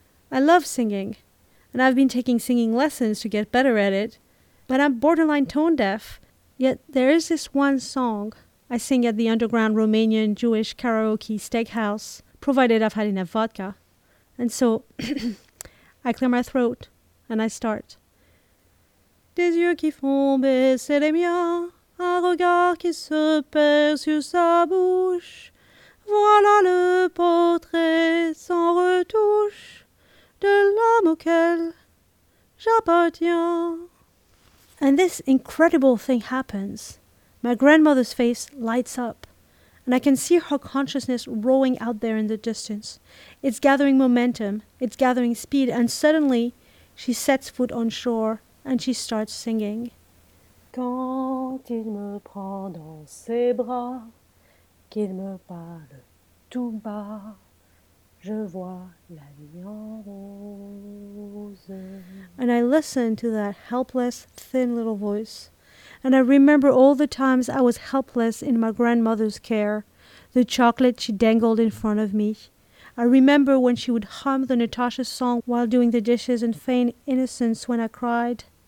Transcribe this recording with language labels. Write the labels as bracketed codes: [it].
[en] I love singing, and I've been taking singing lessons to get better at it, but I'm borderline tone deaf. Yet there is this one song I sing at the underground Romanian Jewish karaoke steakhouse, provided I've had enough vodka. And so I clear my throat, and I start. [fr] Des yeux qui font baisser les miens, un regard qui se perd sur sa bouche. Voilà le portrait sans retouche de l'homme auquel j'appartiens. [en] And this incredible thing happens. My grandmother's face lights up, and I can see her consciousness rolling out there in the distance. It's gathering momentum, it's gathering speed, and suddenly She sets foot on shore and she starts singing. [fr] Quand il me prend dans ses bras, qu'il me parle tout bas, je vois la vie en rose. [en] And I listen to that helpless, thin little voice. And I remember all the times I was helpless in my grandmother's care, the chocolate she dangled in front of me. I remember when she would hum the Natasha song while doing the dishes and feign innocence when I cried.